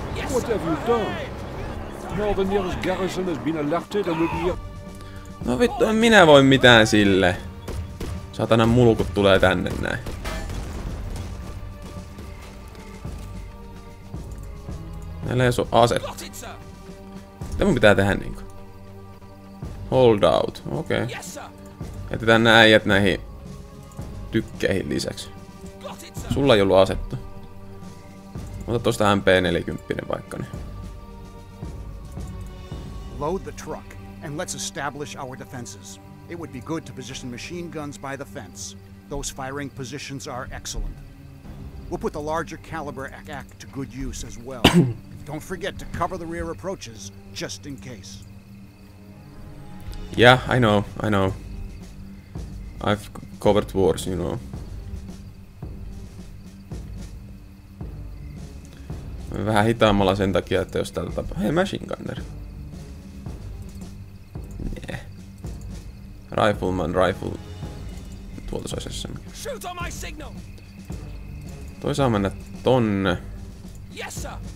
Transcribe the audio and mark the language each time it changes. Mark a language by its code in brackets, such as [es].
[en] What have you done? Now the nearest garrison has been alerted and will be... [fi] No vittu, en minä voi mitään sille. Satana mulkut tulee tänne näin. Näillä ei oo aset. Mitä mun pitää tehdä niinku? [en] Hold out. [fi] Okei. Okay. Jätetään nää äijät näihin tykkeihin lisäksi. Sulla ei ollut asetta. Ota tosta MP40 vaikka ne. [en] Load the truck and let's establish our defenses. It would be good to position machine guns by the fence. Those firing positions are excellent. We'll put the larger caliber AK to good use as well. Don't forget to cover the rear approaches just in case. Yeah, I know. I've covered wars, you know. [fi] Vähän hitaammalla sen takia, että jos tällä tapaa... [en] Hei, machine gunner. Rifleman, rifle... [fi] Tuolta se olisi SM. [en] Shoot on my signal. [fi] Toi saa mennä tonne. [en] Yes, sir.